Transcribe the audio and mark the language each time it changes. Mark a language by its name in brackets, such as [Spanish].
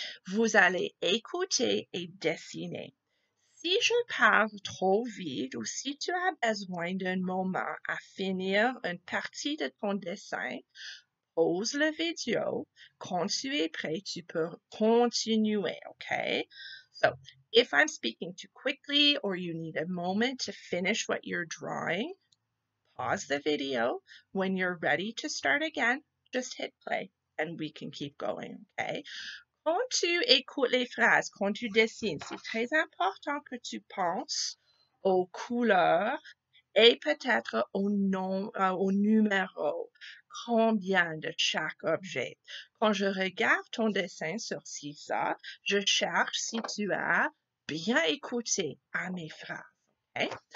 [French] Vous allez écouter et dessiner. Si je parle trop vite ou si tu as besoin d'un moment à finir une partie de ton dessin, pause la vidéo. Quand tu es prêt, tu peux continuer, OK? [English] So, if I'm speaking too quickly or you need a moment to finish what you're drawing, pause the video. When you're ready to start again, just hit play and we can keep going, OK? [French] Quand tu écoutes les phrases, quand tu dessines, c'est très important que tu penses aux couleurs et peut-être au nom, au numéro, combien de chaque objet. Quand je regarde ton dessin sur CISA, je cherche si tu as bien écouté à mes phrases. Okay?